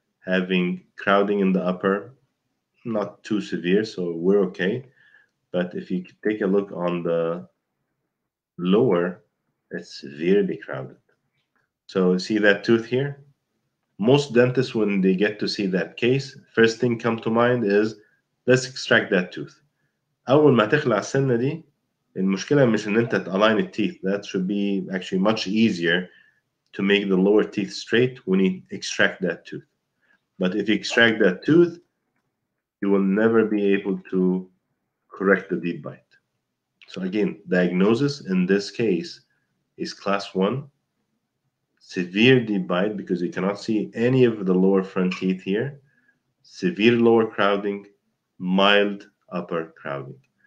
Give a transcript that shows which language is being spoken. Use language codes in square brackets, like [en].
[en] Having crowding in the upper, not too severe, so we're okay. But if you take a look on the lower, it's severely crowded. So see that tooth here? Most dentists, when they get to see that case, first thing come to mind is, let's extract that tooth. [ar] أول ما تخلع السنة دي, المشكلة مش إن أنت تالين التيث. [en] That should be actually much easier to make the lower teeth straight when you extract that tooth. But if you extract that tooth, you will never be able to correct the deep bite. So again, diagnosis in this case is class one, severe deep bite because you cannot see any of the lower front teeth here, severe lower crowding, mild upper crowding.